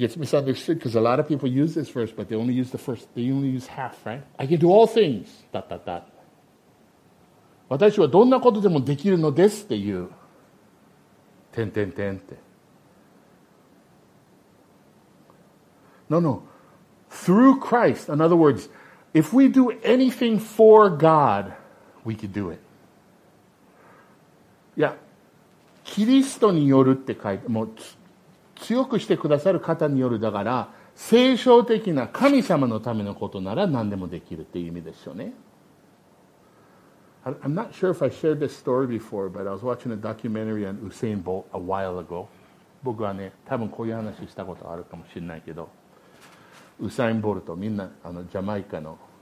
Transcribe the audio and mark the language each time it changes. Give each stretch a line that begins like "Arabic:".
English: It gets misunderstood because a lot of people use this verse, but they only use half, right? I can do all things. That.
Japanese: 私はどんなことでもできるのですっていう。点点点って。
English: No. Through Christ, in other words, if we do anything for God, we can do it. Yeah.
Japanese: キリストによるって書いて、もう強くしてくださる方によるだから、聖書的な神様のためのことなら何でもできるっていう意味ですよね。
English: I'm not sure if I shared this story before, but I was watching a documentary on Usain Bolt a while ago.
Japanese: 僕はね、多分こういう話したことあるかもしれないけど、ウサインボルト、みんなジャマイカの